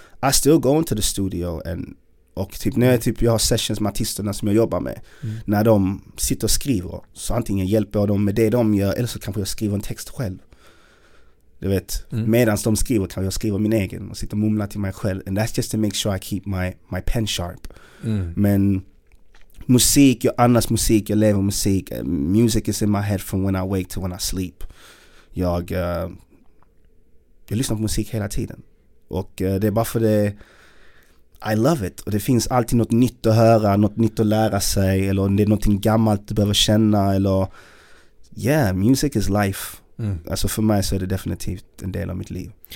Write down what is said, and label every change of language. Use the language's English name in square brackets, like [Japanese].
[English] I still go into the studio and, [Swedish] och typ när jag, typ, jag har sessions med artisterna som jag jobbar med, när de sitter och skriver, så antingen hjälper jag dem med det de gör, eller så kanske jag skriver en text själv. Du vet, medan de skriver kan jag skriva min egen och sitta och mumla till mig själv, [English] and that's just to make sure I keep my pen sharp. [Swedish] Men musik, jag andas musik, jag lever musik. [English] Music is in my head from when I wake to when I sleep. [Swedish] Jag lyssnar på musik hela tiden, och det är bara för det, [English] I love it. [Swedish] Och det finns alltid något nytt att höra, något nytt att lära sig, eller det är något gammalt du behöver känna, eller yeah, [English] music is life. [Swedish] Mm. Alltså för mig så är det definitivt en del av mitt liv.